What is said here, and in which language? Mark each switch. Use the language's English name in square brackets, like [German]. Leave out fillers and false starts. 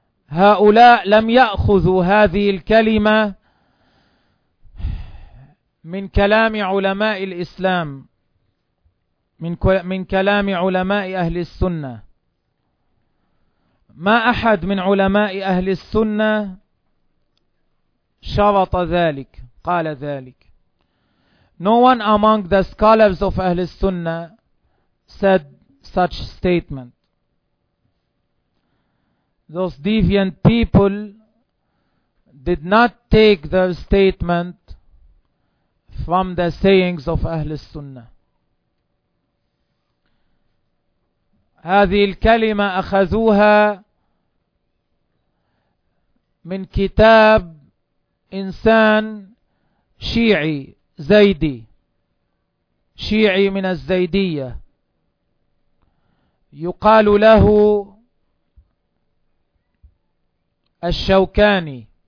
[Arabic] هؤلاء لم يأخذوا هذه الكلمة من كلام علماء الإسلام, من كلام علماء أهل السنة. ما أحد من علماء أهل السنة شرط ذلك, قال ذلك. [English] No one among the scholars of أهل السنة said such statement. Those deviant people did not take their statement from the sayings of أهل السنة. [Arabic] هذه الكلمة أخذوها من كتاب إنسان شيعي زيدي, شيعي من الزيدية, يقال له الشوكاني.